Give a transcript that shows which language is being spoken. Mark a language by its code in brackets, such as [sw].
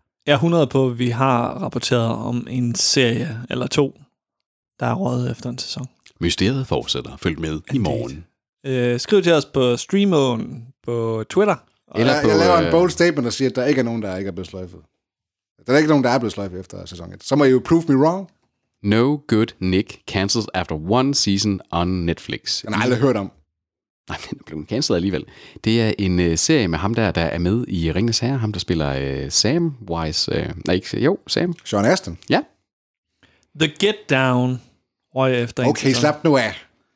[da] Jeg er 100 på, vi har rapporteret om en serie eller to, der er røget efter en sæson. Mysteriet fortsætter. Følg med i morgen. Skriv til os på Streamon på Twitter. Eller på, jeg laver en [en] bold statement [da] og siger, at der ikke er nogen, der ikke er blevet sløjfet. Der er ikke nogen, der er blevet sløjfet efter sæson 1. Så må I jo [en] prove me wrong. No Good Nick cancels after one season on Netflix. [da] Den har jeg aldrig hørt om. Nej, men den blev cancelet alligevel. Det er en serie med ham der, der er med i Ringens Herre. Ham, der spiller Samwise. Sam. Sean Astin. Ja. The Get Down. Røg efter en okay, slap nu af.